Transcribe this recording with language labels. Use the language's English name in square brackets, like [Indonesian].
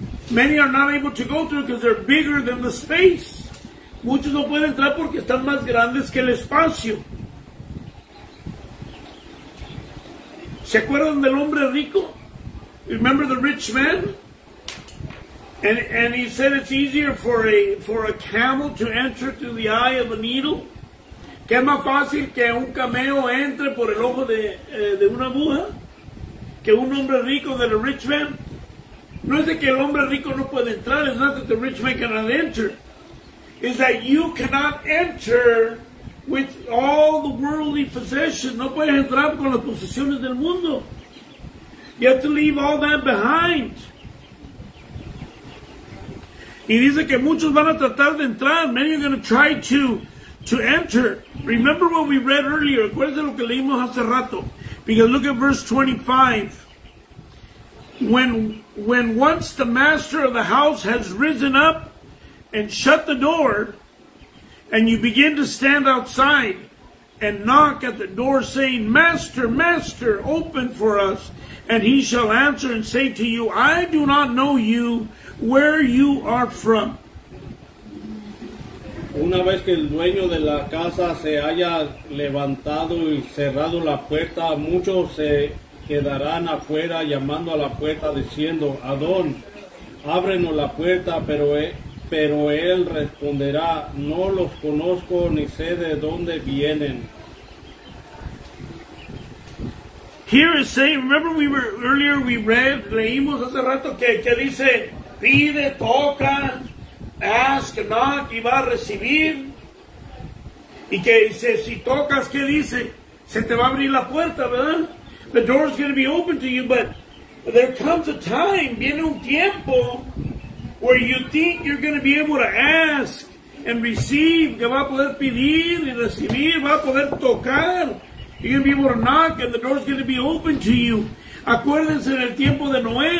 [English] Many are not able to go through because they're bigger than the space. [Spanish] Muchos no pueden entrar porque están más grandes que el espacio. ¿Se acuerdan del hombre rico? [English] Remember the rich man? And he said it's easier for a camel to enter through the eye of a needle. [Spanish] ¿Qué es más fácil que un camello entre por el ojo de una aguja? Que un hombre rico de la [English] rich man. [Spanish] No es de que el hombre rico no puede entrar. [English] It's not that the rich man cannot enter. It's that you cannot enter with all the worldly possessions. [Spanish] No puedes entrar con las posesiones del mundo. [English] You have to leave all that behind. [Spanish] Y dice que muchos van a tratar de entrar. [English] Many are going to try to enter. Remember what we read earlier. [Spanish] Acuérdense lo que leímos hace rato. [English] Because look at verse 25. When once the master of the house has risen up and shut the door, and you begin to stand outside and knock at the door saying, Master, Master, open for us. And he shall answer and say to you, I do not know you, where you are from. [Spanish] Una vez que el dueño de la casa se haya levantado y cerrado la puerta, muchos se quedarán afuera llamando a la puerta diciendo, Adón, ábrenos la puerta, pero él responderá, no los conozco ni sé de dónde vienen. [English] Here is saying, remember [Spanish] leímos hace rato que dice, pide, toca, [English] ask, knock, [Spanish] y va a recibir. Y que dice, si tocas, ¿qué dice? Se te va a abrir la puerta, ¿verdad? [English] The door is going to be open to you, but there comes a time, [Spanish] viene un tiempo, [English] where you think you're going to be able to ask and receive, [Spanish] que va a poder pedir y recibir, va a poder tocar. [English] You're going to be able to knock and the door is going to be open to you. [Spanish] Acuérdense en el tiempo de Noé.